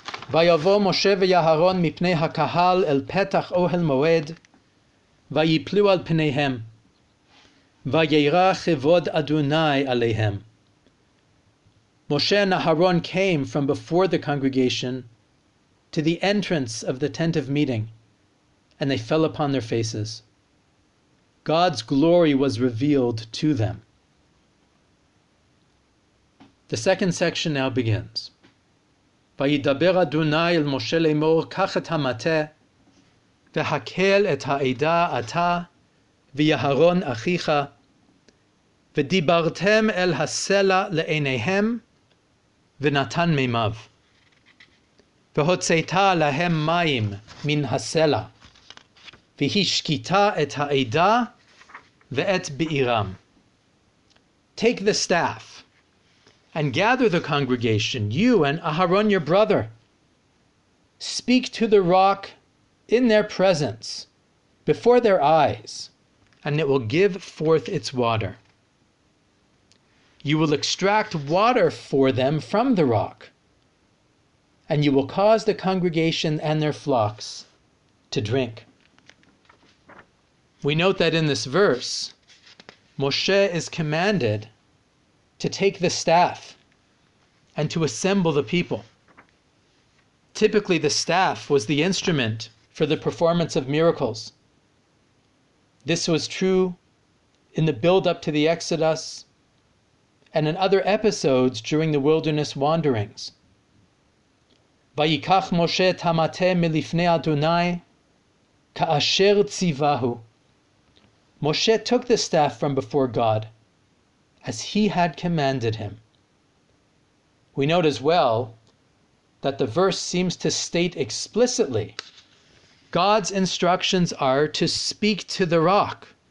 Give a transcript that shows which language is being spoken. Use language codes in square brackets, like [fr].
[he] ויבוא משה ויהרון מפני הקהל אל פתח אוהל מועד, ויפלו על פניהם, וירא כבוד אדוני עליהם. [en] Moshe and Aharon came from before the congregation to the entrance of the tent of meeting, and they fell upon their faces. God's glory was revealed to them. The second section now begins. [he] וידבר אדוני אל משה לאמור, קח את המטה, והקל את העדה אתה, ויהרון אחיך, ודיברתם אל הסלע לעיניהם, ונתן מימיו, והוצאת להם מים מן הסלע, והשקיטה את העדה ואת בעירם. [en] Take the staff, and gather the congregation, you and Aharon your brother. Speak to the rock in their presence, before their eyes, and it will give forth its water. You will extract water for them from the rock, and you will cause the congregation and their flocks to drink. We note that in this verse, Moshe is commanded to take the staff and to assemble the people. Typically, the staff was the instrument for the performance of miracles. This was true in the build-up to the Exodus, and in other episodes during the wilderness wanderings. [he] ויקח משה את המטה מלפני אדוני כאשר ציווהו. [en] Moshe took the staff from before God as he had commanded him. We note as well that the verse seems to state explicitly God's instructions are to speak to the rock.